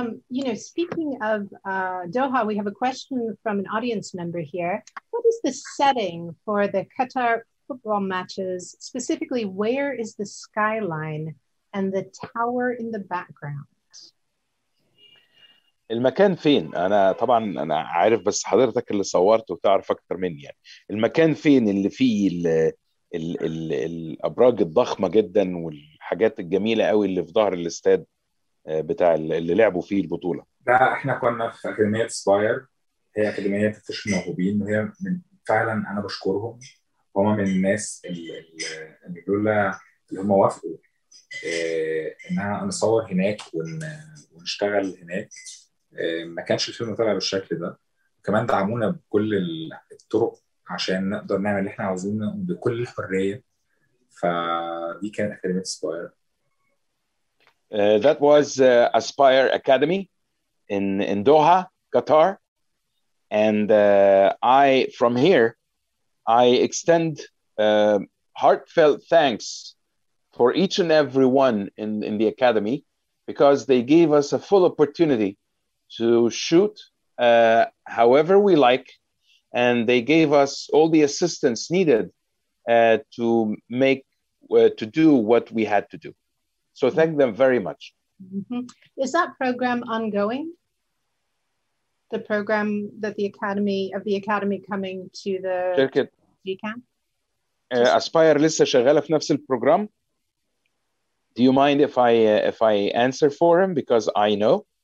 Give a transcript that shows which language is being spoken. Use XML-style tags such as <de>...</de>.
<en>You know, speaking of Doha, we have a question from an audience member here. What is the setting for the Qatar football matches? Specifically, where is the skyline and the tower in the background?</en> <ar>المكان فين؟ أنا طبعاً أنا عارف، بس حضرتك اللي صورته وتعرف أكتر مني. يعني المكان فين اللي فيه الأبراج الضخمة جداً والحاجات الجميلة قوي اللي في ظهر الاستاد بتاع اللي لعبوا فيه البطولة؟ ده إحنا كنا في أكاديمية سباير، هي أكاديمية تفتيش الموهوبين، وهي من فعلاً أنا بشكرهم، هما من الناس اللي دول اللي هما وافقوا إن أنا نصور هناك ونشتغل هناك. ما كانش الفيلم طالع بالشكل ده، كمان دعمونا بكل الطرق عشان نقدر نعمل اللي احنا عاوزينه بكل حرية. فدي كانت أكاديمية سباير.</ar> <en>That was Aspire Academy in Doha, Qatar. And I, from here, I extend heartfelt thanks for each and every one in the academy, because they gave us a full opportunity to shoot however we like, and they gave us all the assistance needed to make to do what we had to do. So thank them very much. Mm-hmm. Is that program ongoing? The program that the academy coming to the G-Camp?</en> <ar>Aspire لسه شغالة في نفس البروجرام.</ar> <en>Do you mind if I answer for him, because I know?</en>